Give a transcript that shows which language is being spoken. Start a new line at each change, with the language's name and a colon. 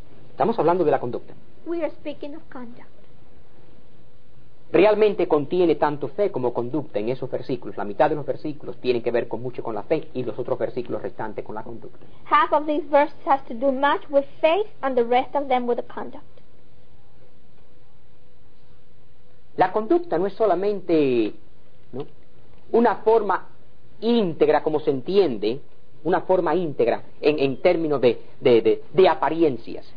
Spanish: Estamos hablando de la conducta.
English: We are speaking of conduct.
Spanish: Realmente contiene tanto fe como conducta en esos versículos. La mitad de los versículos tienen que ver mucho con la fe y los otros versículos restantes con la conducta.
English: Half of these verses has to do much with faith and the rest of them with the conduct.
Spanish: La conducta no es solamente, ¿no?, una forma íntegra, como se entiende, una forma íntegra en términos de apariencias.